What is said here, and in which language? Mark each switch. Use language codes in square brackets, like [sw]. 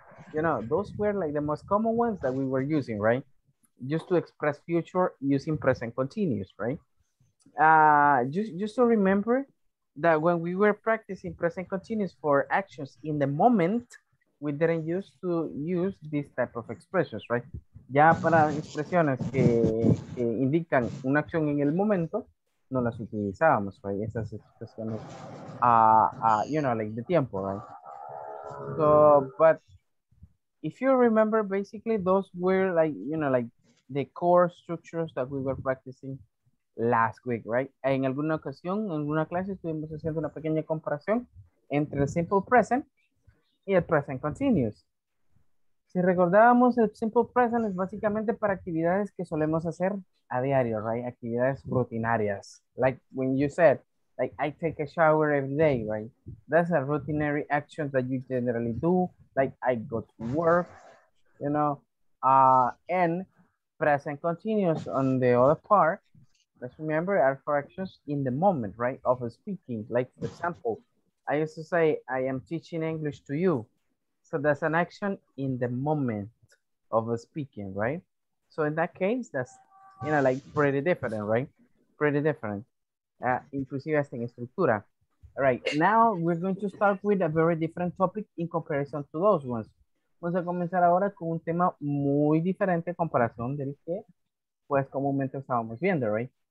[en] You know, those were like the most common ones that we were using, right? Just to express future using present continuous, right? Just to remember that when we were practicing present continuous for actions in the moment, we didn't use to use this type of expressions, right? [es] Ya para expresiones que indican una acción en el momento, no las utilizábamos, right? Esas expresiones, [en] you know, like the [es] tiempo, right? [en] So, but if you remember, basically those were like, you know, like the core structures that we were practicing last week, right? [es] En alguna ocasión, en alguna clase, estuvimos haciendo una pequeña comparación entre el simple present y el present continuous. Si recordábamos, el simple present es básicamente para actividades que solemos hacer a diario, right? Actividades rutinarias. [en] Like when you said, like, I take a shower every day, right? That's a routinary action that you generally do. Like, I go to work, you know? And present continuous on the other part, let's remember, are for actions in the moment, right? Of speaking, like, for example, I used to say, I am teaching English to you. So that's an action in the moment of speaking, right? So in that case, that's, you know, like pretty different, right? Pretty different. [es] Inclusive hasta en estructura. [en] All right, now we're going to start with a very different topic in comparison to those ones. [es] Vamos a comenzar ahora con un tema muy diferente en comparación del que, pues, comúnmente estábamos viendo, right?